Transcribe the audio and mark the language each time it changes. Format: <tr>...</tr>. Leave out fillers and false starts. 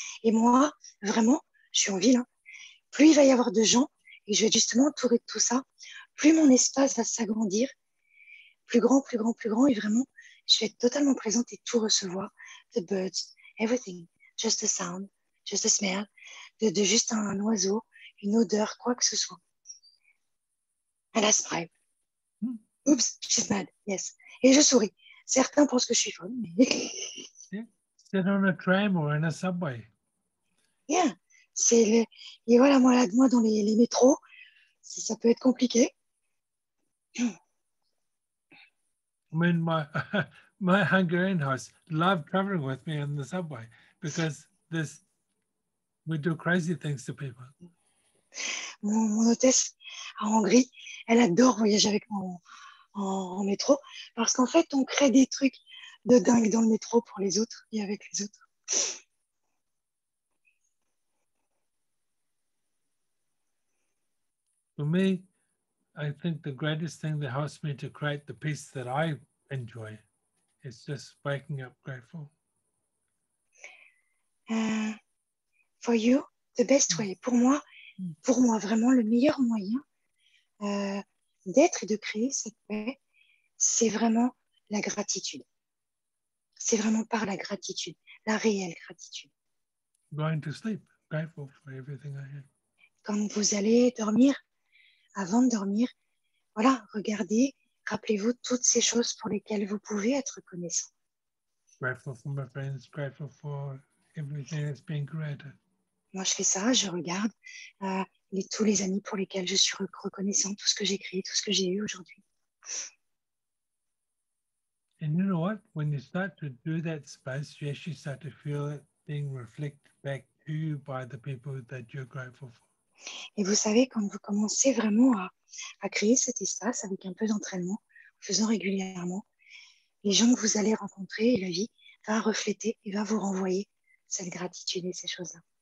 <fr>Et moi, vraiment, je suis en ville, hein, plus il va y avoir de gens, et je vais justement entourer de tout ça, plus mon espace va s'agrandir, plus grand, plus grand, plus grand, et vraiment, je vais être totalement présente et tout recevoir,</fr> <en>the birds, everything, just the sound, just the smell,</en> <fr>de juste un oiseau, une odeur, quoi que ce soit.</fr> <en>And that's right. Oops, she's mad, yes.</en> <fr>Et je souris. Certains pensent que je suis folle.</fr> <en>Mais... Yeah. Sit on a tram or in a subway.</en> <fr>Yeah. C'est le... Et voilà, moi, là, moi dans les métros, si ça peut être compliqué.</fr> <en>I mean, my Hungarian host love traveling with me in the subway because this we do crazy things to people.</en> <fr>Mon hôtesse à Hongrie, elle adore voyager avec moi en métro parce qu'en fait on crée des trucs de dingue dans le métro pour les autres et avec les autres.</fr> <en>For me, I think the greatest thing that helps me to create the peace that I enjoy is just waking up grateful. For you, the best way.</en> <fr>Pour moi, vraiment, le meilleur moyen d'être et de créer cette paix, c'est vraiment la gratitude. C'est vraiment par la gratitude, la réelle gratitude.</fr> <en>Going to sleep, grateful for everything I have.</en> <fr>Quand vous allez dormir, avant de dormir, voilà, regardez, rappelez-vous toutes ces choses pour lesquelles vous pouvez être reconnaissant.</fr> <en>Grateful for my friends, grateful for everything that's been created.</en> <fr>Moi, je fais ça, je regarde tous les amis pour lesquels je suis reconnaissant, tout ce que j'ai créé, tout ce que j'ai eu aujourd'hui.</fr> <en>And you know what? When you start to do that space, you actually start to feel it being reflected back to you by the people that you're grateful for.</en> <fr>Et vous savez, quand vous commencez vraiment à créer cet espace avec un peu d'entraînement, en faisant régulièrement, les gens que vous allez rencontrer et la vie va refléter et va vous renvoyer cette gratitude et ces choses-là.</fr>